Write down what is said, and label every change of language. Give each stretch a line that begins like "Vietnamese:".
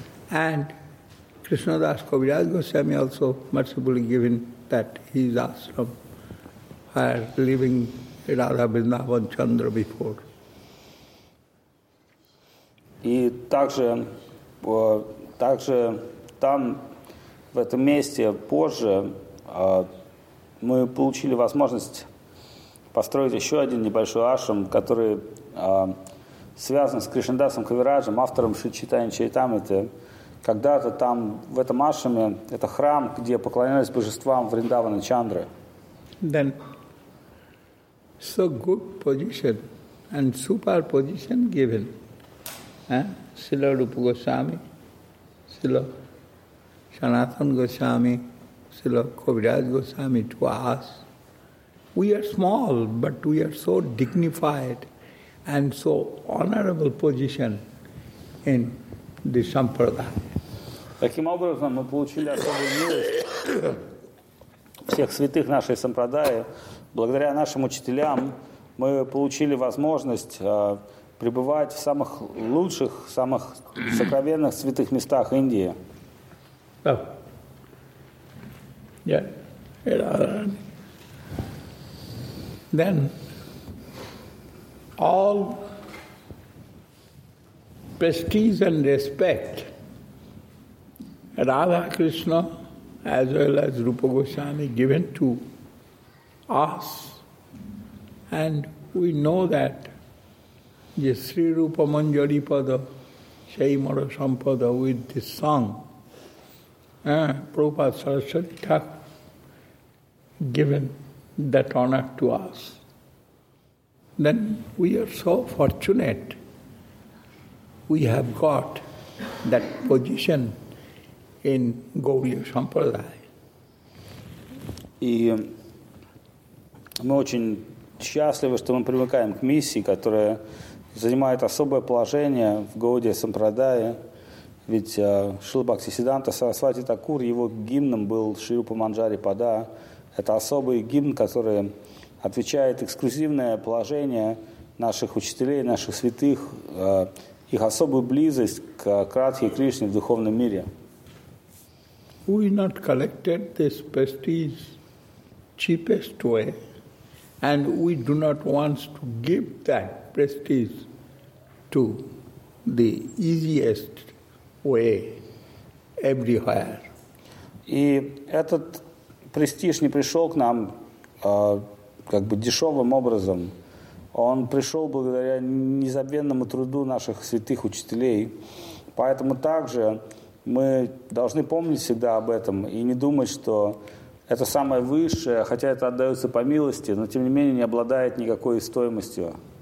English: And Krishna Das Kaviraj Goswami also mercifully given that his ashram where living Radha Vrindavan Chandra before.
Russian: И также, также там, в этом месте, позже мы получили возможность построить еще один небольшой ашрам, который связан с Кришнадасом Кавираджем, автором Шри Чайтанья Чаритамриты. Когда-то там, в этом ашраме, это храм, где поклонялись божествам Вриндавана Чандры.
English: Then, so good position and super position given. Srila Rupa Goswami, Srila Sanatan Goswami, Srila Kaviraj Goswami to us. We are small, but we are so dignified and so honorable position in the Sampradaya.
Russian: Таким образом, мы получили особую милость всех святых нашей сампрадаи. Благодаря нашим учителям мы получили возможность пребывать в самых лучших, самых сокровенных святых местах Индии.
English: Then all prestige and respect Radha Krishna as well as Rupa Goswami given to us, and we know that the Sri Rupa Manjari Pada, Shai Mara Sampada, with this song, Prabhupada Saraswati Thakur given that honor to us. Then we are so fortunate we have got that position in Gaudiya Sampradaya.
Russian: И мы очень счастливы, что мы привыкаем к миссии, которая занимает особое положение в Гаудия Сампрадае. Ведь Шрила Бхактисиддханта Сарасвати Такур, его гимном был Шри Рупа Манджари Пада. Это особый гимн, который отвечает эксклюзивное положение наших учителей, наших святых, их особую близость к Радхе Кришне в духовном мире.
English: We not collected this prestige cheapest way, and we do not want to give that prestige to the easiest way everywhere.
Russian: И этот престиж не пришел к нам как бы дешевым образом. Он пришел благодаря незабвенному труду наших святых учителей. Поэтому также мы должны помнить всегда об этом и не думать, что это самое высшее, хотя это отдается по милости, но тем не менее не обладает никакой стоимостью.